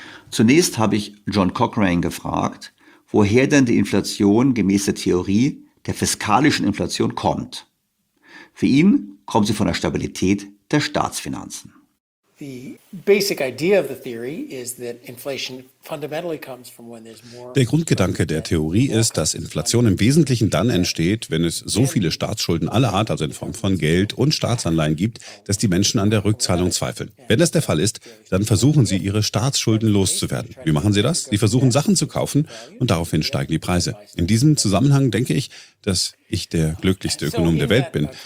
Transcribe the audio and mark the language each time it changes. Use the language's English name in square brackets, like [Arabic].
[German] Zunächst habe ich John Cochrane gefragt, woher denn die Inflation gemäß der Theorie der fiskalischen Inflation kommt. Für ihn kommt sie von der Stabilität der Staatsfinanzen. [English] The basic idea of the theory is that inflation fundamentally comes from when there's more. [German] Der Grundgedanke der Theorie ist, dass Inflation im Wesentlichen dann entsteht, wenn es so viele Staatsschulden aller Art, also in Form von Geld und Staatsanleihen gibt, dass die Menschen an der Rückzahlung zweifeln. Wenn das der Fall ist, dann versuchen sie, ihre Staatsschulden loszuwerden. Wie machen sie das? Sie versuchen, Sachen zu kaufen und daraufhin steigen die Preise. In diesem Zusammenhang denke ich, dass ich der glücklichste Ökonom der Welt bin.